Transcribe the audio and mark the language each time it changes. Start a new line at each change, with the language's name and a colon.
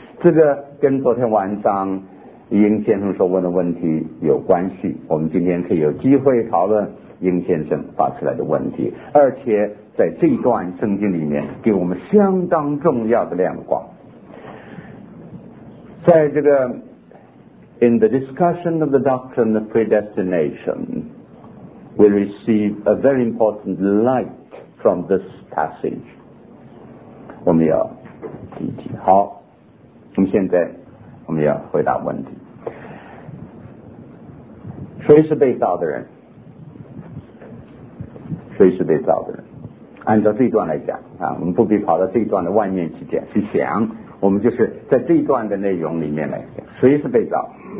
Chinese: 这个跟昨天晚上英先生所问的问题有关系，我们今天可以有机会讨论英先生发出来的问题，而且在这段圣经里面给我们相当重要的亮光。在这个
English: in the discussion of the doctrine of predestination, we receive a very important light from this passage.
Chinese: 我们要听听。好，我们现在我们要回答问题。谁是被造的人？谁是被造的人？按照这一段来讲啊，我们不必跑到这一段的外面去讲，去想，我们就是在这一段的内容里面来讲，谁是被造？